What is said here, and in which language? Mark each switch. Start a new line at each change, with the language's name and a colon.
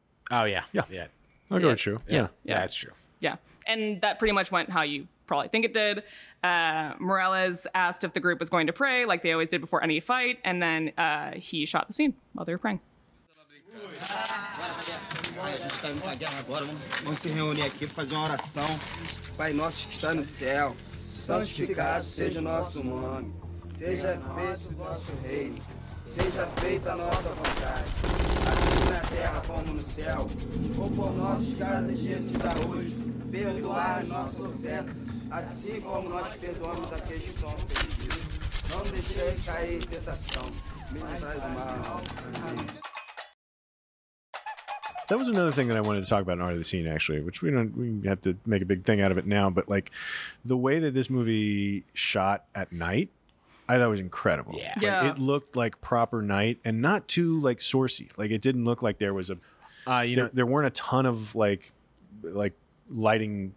English: Oh, yeah. Yeah. Yeah. I'll go with true. Yeah, that's true. Yeah. And that pretty much went how you probably think it did. Morales asked if the group was going to pray like they always did before any fight, and then he shot the scene while they were praying.
Portuguese: Vamos se reunir aqui para fazer uma oração. Pai nosso que está no céu, santificado seja o nosso nome. Seja feito o nosso reino. Seja feita a nossa vontade, assim na terra como no céu. O pão nosso de cada dia te dá hoje. Perdoar nossos ofensas, assim como nós perdoamos aqueles que são ofendidos. Não deixeis cair em tentação, livrai-nos do mal. Amém.
English: That was another thing that I wanted to talk about in Art of the Scene, actually, which we have to make a big thing out of it now. But, like, the way that this movie shot at night, I thought was incredible. Yeah. Like, it looked like proper night and not too, like, sourcey. Like, it didn't look like there was a there weren't a ton of, like lighting.